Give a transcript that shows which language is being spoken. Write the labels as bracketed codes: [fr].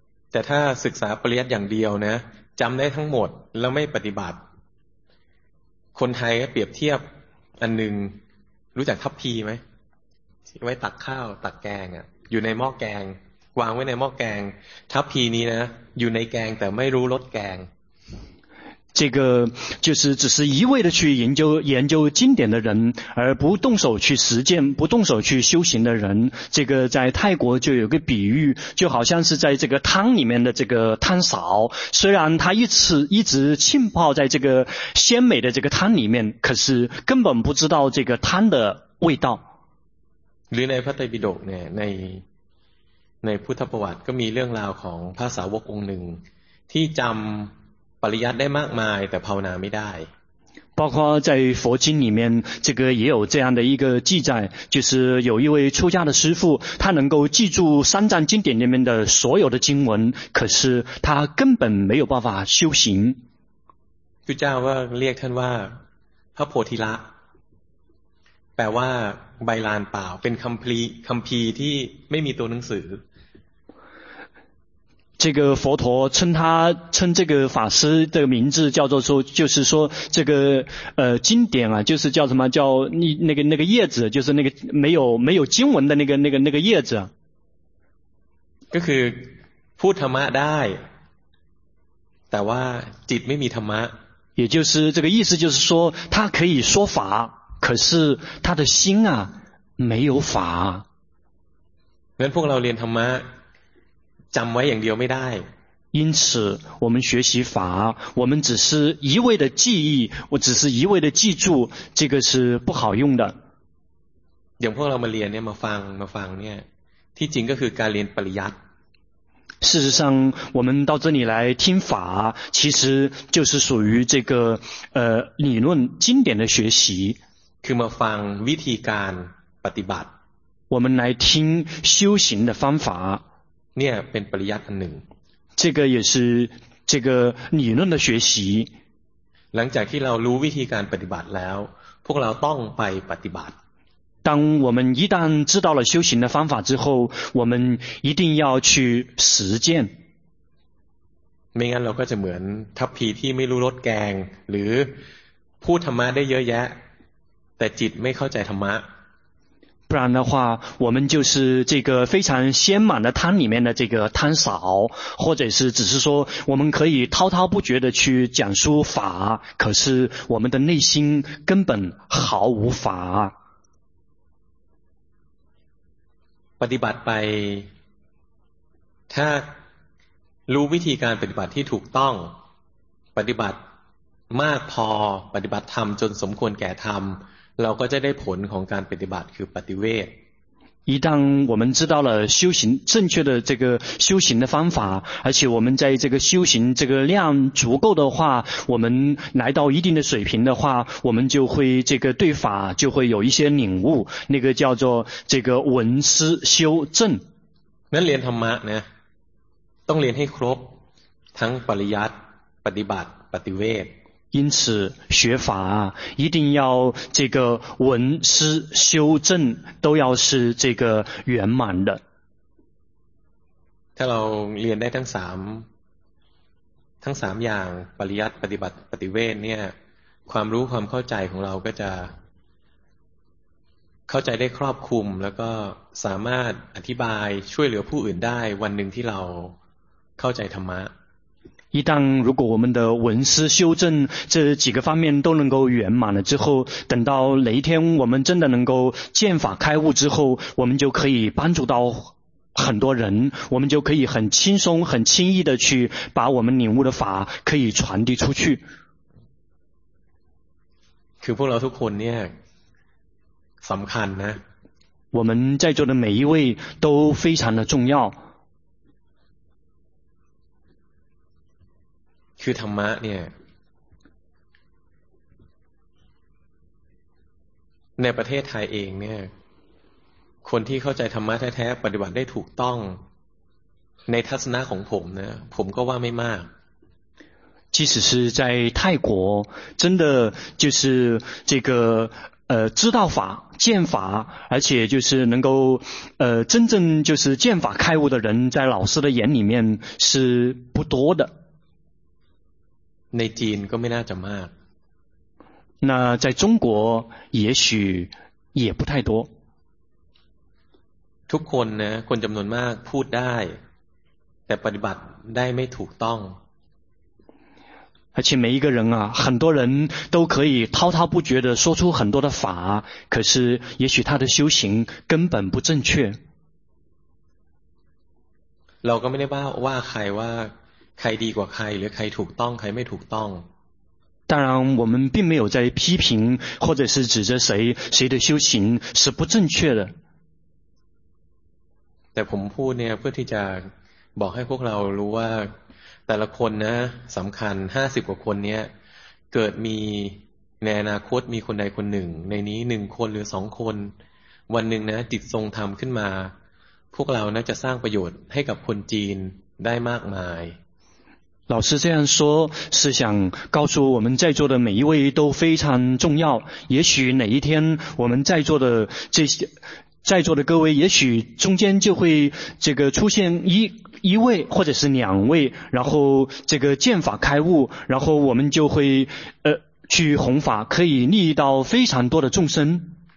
[zh] 但他 [th] ศึกษาปริยัติอย่างเดียวนะจำได้ทั้งหมดแล้วไม่ปฏิบัติคนไทยเปรียบเทียบอันหนึ่งรู้จักทัพพีไหมไว้ตักข้าวตักแกงอ่ะอยู่ในหม้อแกงวางไว้ในหม้อแกงทัพพีนี้นะอยู่ในแกงแต่ไม่รู้รสแกง [zh] 这个就是只是一味的去研究经典的人而不动手去实践不动手去修行的人这个在泰国就有个比喻就好像是在这个汤里面的这个汤勺虽然他一直浸泡在这个鲜美的这个汤里面可是根本不知道这个汤的味道 [th] ในพระไตรปิฎกเนี่ยในพุทธประวัติก็มีเรื่องราวของพระสาวกองค์หนึ่งที่จำปริยัติได้มากมายแต่ภาวนาไม่ได้ [zh] 包括在佛经里面这个也有这样的一个记载就是有一位出家的师父他能够记住三藏经典里面的所有的经文可是他根本没有办法修行 [th] พุทธเจ้าว่าเรียกท่านว่าพระโพธิละแปลว่าใบลานเปล่าเป็นคัมภีร์ที่ไม่มีตัวหนังสือ [zh] 这个佛陀称他称这个法师的名字叫做说，就是说这个经典啊，就是叫什么叫那个叶子，就是那个没有经文的那个叶子。 [th] ก็คือพูดธรรมะได้แต่ว่าจิตไม่มีธรรมะ [zh] 也就是这个意思，就是说他可以说法，可是他的心啊没有法。 [th] งั้นพวกเราเรียนธรรมะจำไว้อย่างเดียวไม่ได้ [zh] 因此我们学习法我们只是一味的记忆我只是一味的记住这个是不好用的 [th] อย่างพวกเรามาเรียนเนี่ยมาฟังเนี่ยที่จริงก็คือการเรียนปริยัติ [zh] 事实上我们到这里来听法其实就是属于这个理论经典的学习 [th] คือมาฟังวิธีการปฏิบัติ [zh] 我们来听修行的方法 [th] เนี่ยเป็นปริยัติอันหนึ่ง [zh] 这个也是这个理论的学习 [th] หลังจากที่เรารู้วิธีการปฏิบัติแล้วพวกเราต้องไปปฏิบัติ [zh] 当我们一旦知道了修行的方法之后我们一定要去实践 [th] ไม่งั้นเราก็จะเหมือนทัพพีที่ไม่รู้รสแกงหรือพูดธรรมะได้เยอะแยะแต่จิตไม่เข้าใจธรรมะ [zh] 不然的话我们就是这个非常鲜满的汤里面的这个汤勺或者是只是说我们可以滔滔不绝的去讲述法可是我们的内心根本毫无法 [th] ปฏิบัติไปถ้ารู้วิธีการปฏิบัติที่ถูกต้องปฏิบัติมากพอปฏิบัติธรรมจนสมควรแก่ธรรมเราก็จะได้ผลของการปฏิบัติคือปฏิเวท [zh] 一旦我们知道了修行正确的这个修行的方法而且我们在这个修行这个量足够的话我们来到一定的水平的话我们就会这个对法就会有一些领悟那个叫做这个闻思修正 [th] 那เรียนธรรมะเนี่ยต้องเรียนให้ครบทั้งปริยัติปฏิบัติปฏิเวท [zh] 因此学法一定要这个闻思修正都要是这个圆满的 [th] ถ้าเราเรียนได้ทั้งสามอย่างปริยัติปฏิบัติปฏิเวทเนี่ยความรู้ความเข้าใจของเราก็จะเข้าใจได้ครอบคลุมแล้วก็สามารถอธิบายช่วยเหลือผู้อื่นได้วันหนึ่งที่เราเข้าใจธรรมะ [zh] 一旦如果我们的闻思修正这几个方面都能够圆满了之后等到哪一天我们真的能够见法开悟之后我们就可以帮助到很多人我们就可以很轻松很轻易的去把我们领悟的法可以传递出去 [th] คือพวกเราทุกคนเนี่ยสำคัญนะ [zh] 我们在座的每一位都非常的重要 [th] คือธรรมะเนี่ยในประเทศไทยเองเนี่ยคนที่เข้าใจธรรมะแท้ๆปฏิบัติได้ถูกต้องในทัศนะของผมนะผมก็ว่าไม่มาก [zh] 即使是在泰国真的就是这个知道法见法而且就是能够真正就是见法开悟的人在老师的眼里面是不多的 [th] ในจีนก็ไม่น่าจะมาก [zh] 那在中国也许也不太多 [th] ทุกคนนะคนจำนวนมากพูดได้แต่ปฏิบัติได้ไม่ถูกต้อง [zh] 而且每一个人啊很多人都可以滔滔不绝地说出很多的法可是也许他的修行根本不正确 [th] เราก็ไม่ได้ว่าใครว่าใครดีกว่าใครหรือใครถูกต้องใครไม่ถูกต้อง [zh] 当然我们并没有在批评或者是指着谁的修行是不正确的 [th] แต่ผมพูดเนี่ยเพื่อที่จะบอกให้พวกเรารู้ว่าแต่ละคนนะสำคัญ50กว่าคนเนี่ยเกิดมีในอนาคตมีคนใดคนหนึ่งในนี้1คนหรือ2คนวันหนึ่งนะจิตทรงธรรมขึ้นมาพวกเราน่าจะสร้างประโยชน์ให้กับคนจีนได้มากมาย [zh] 老师这样说是想告诉我们在座的每一位都非常重要也许哪一天我们在座的这些在座的各位也许中间就会这个出现一位或者是两位，然后这个见法开悟，然后我们就会去弘法，可以利益到非常多的众生。